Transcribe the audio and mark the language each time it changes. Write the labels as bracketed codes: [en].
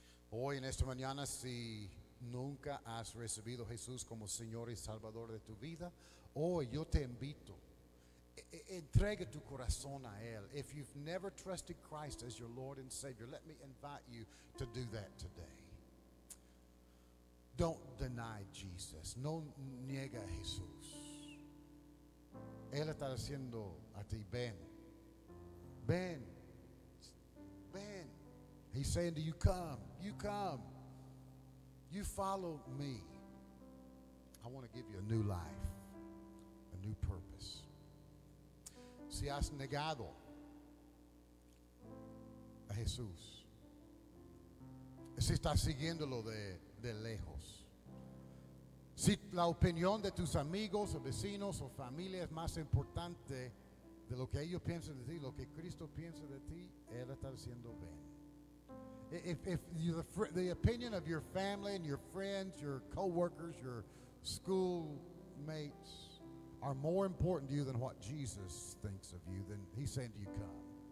[es] Hoy en esta mañana, si nunca has recibido a Jesús como Señor y Salvador de tu vida, hoy yo te invito, entrega tu corazón a Él. [en] If you've never trusted Christ as your Lord and Savior, let me invite you to do that today. Don't deny Jesus. [es] No niega a Jesús. Él está diciendo a ti, ven, ven, ven. [en] He's saying to you, come, you come, you follow me. I want to give you a new life, a new purpose. [es] Si has negado a Jesús, si estás siguiéndolo de lejos, si la opinión de tus amigos o vecinos o familia es más importante de lo que ellos piensan de ti, lo que Cristo piensa de ti, Él está diciendo ven. [en] If you, the opinion of your family and your friends, your co-workers, your schoolmates are more important to you than what Jesus thinks of you, then He's saying to you, come.